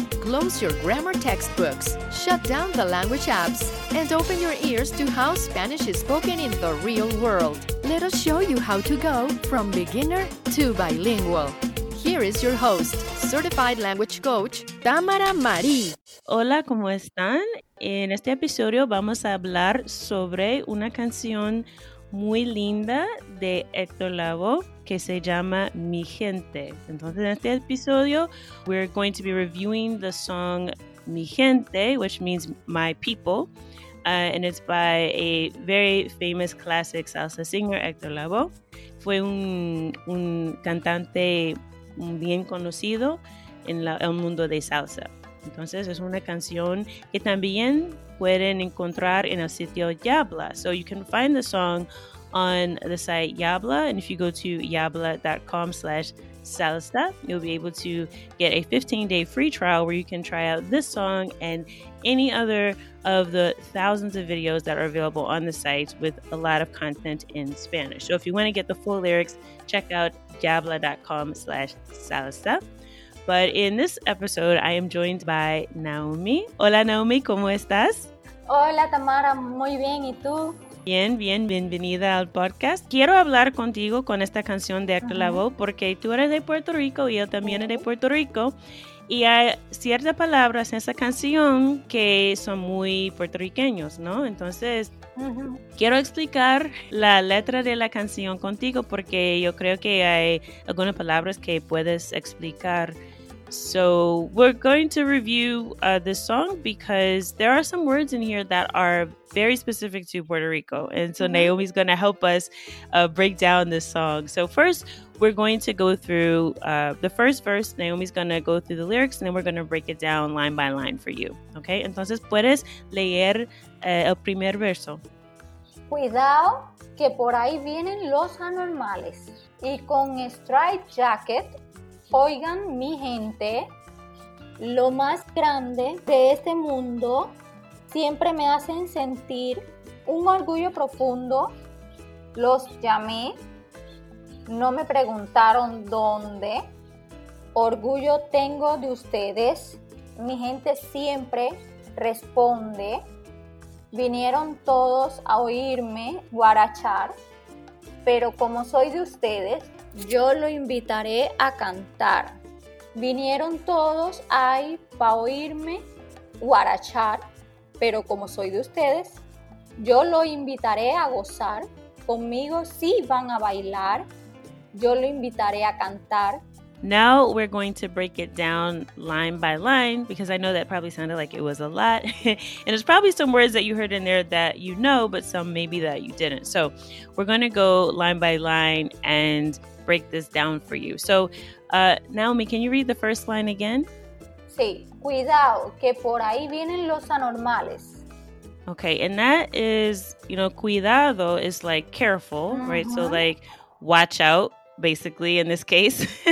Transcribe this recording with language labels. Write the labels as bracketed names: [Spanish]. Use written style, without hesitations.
[English] Close your grammar textbooks, shut down the language apps, and open your ears to how Spanish is spoken in the real world. Let us show you how to go from beginner to bilingual. Here is your host, certified language coach, Tamara Marie. [Spanish] Hola, ¿cómo están? En este episodio vamos a hablar sobre una canción muy linda de Héctor Lavoe que se llama Mi Gente. Entonces, en este episodio, [English] we're going to be reviewing the song Mi Gente, which means My People. And it's by a very famous classic salsa singer, Héctor Lavoe. [Spanish] Fue un cantante bien conocido en el mundo de salsa. Entonces es una canción que también pueden encontrar en el sitio Yabla. [English] So you can find the song on the site Yabla, and if you go to yabla.com/salsa, you'll be able to get a 15-day free trial where you can try out this song and any other of the thousands of videos that are available on the site with a lot of content in Spanish. So if you want to get the full lyrics, check out yabla.com/salsa. But in this episode, I am joined by Naomi. [Spanish] Hola, Naomi, ¿cómo estás? Hola, Tamara, muy bien, ¿y tú? Bienvenida al podcast. Quiero hablar contigo con esta canción de Héctor Lavoe porque tú eres de Puerto Rico y yo también es de Puerto Rico. Y hay ciertas palabras en esa canción que son muy puertorriqueños, ¿no? Entonces, quiero explicar la letra de la canción contigo porque yo creo que hay algunas palabras que puedes explicar. [English] So, we're going to review this song because there are some words in here that are very specific to Puerto Rico. And so Naomi's going to help us break down this song. So first, we're going to go through the first verse. Naomi's going to go through the lyrics and then we're going to break it down line by line for you. [Spanish] Okay, entonces puedes leer el primer verso. Cuidado que por ahí vienen los anormales. Y con [English] striped jacket, [Spanish] oigan mi gente, lo más grande de este mundo siempre me hacen sentir un orgullo profundo. Los llamé, no me preguntaron dónde. Orgullo tengo de ustedes, mi gente siempre responde. Vinieron todos a oírme guarachar, pero como soy de ustedes, yo lo invitaré a cantar. Vinieron todos ahí para oírme guarachar, pero como soy de ustedes, yo lo invitaré a gozar. Conmigo sí van a bailar, yo lo invitaré a cantar. [English] Now we're going to break it down line by line because I know that probably sounded like it was a lot. And there's probably some words that you heard in there that you know, but some maybe that you didn't. So we're going to go line by line and break this down for you. So Naomi, can you read the first line again? [Spanish] Sí. Cuidado que por ahí vienen los anormales. [English] Okay. And that is, you know, cuidado is like careful, right? So like watch out. Basically, in this case.